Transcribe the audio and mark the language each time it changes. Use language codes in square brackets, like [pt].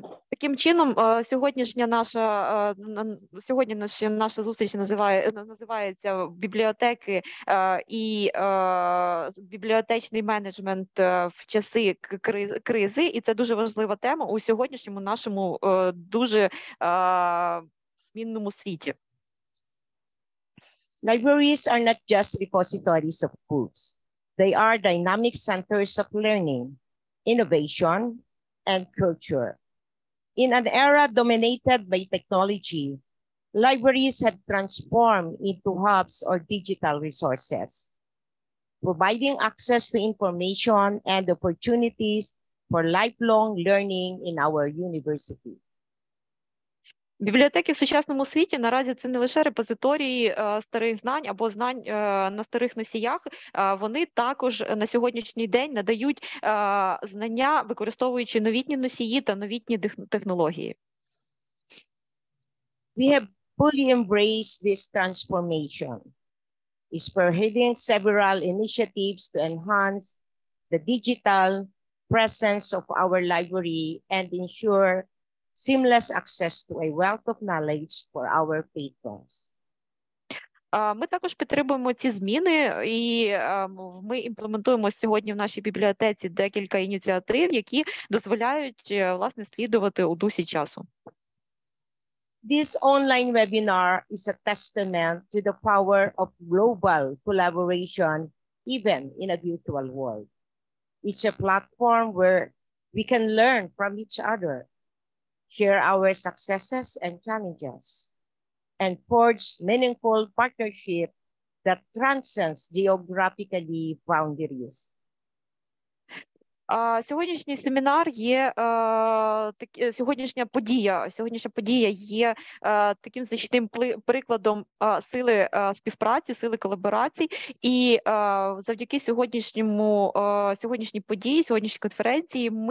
[uk] Таким чином сьогоднішня наша зустріч називається бібліотеки і бібліотечний менеджмент в часи кризи, і це дуже важлива тема у сьогоднішньому нашому дуже змінному світі. [en] Libraries are not just repositories of books. They are dynamic centers of learning, innovation, and culture. In an era dominated by technology, libraries have transformed into hubs or digital resources, providing access to information and opportunities for lifelong learning in our university. [uk] Бібліотеки в сучасному світі наразі це не лише репозиторії старих знань або знань на старих носіях, вони також на сьогоднішній день надають знання, використовуючи новітні носії та новітні технології. [en] We have fully embraced this transformation, spearheading several initiatives to enhance the digital presence of our library and ensure seamless access to a wealth of knowledge for our patrons. [uk] Ми також підтримуємо ці зміни, і ми імплементуємо сьогодні в нашій бібліотеці декілька ініціатив, які дозволяють, власне, слідувати у дусі часу. [en] This online webinar is a testament to the power of global collaboration, even in a virtual world. It's a platform where we can learn from each other, share our successes and challenges, and forge meaningful partnership that transcends geographically boundaries. [uk] Сьогоднішній семінар є сьогоднішня подія є таким значним прикладом сили співпраці, сили колаборацій, і завдяки сьогоднішній конференції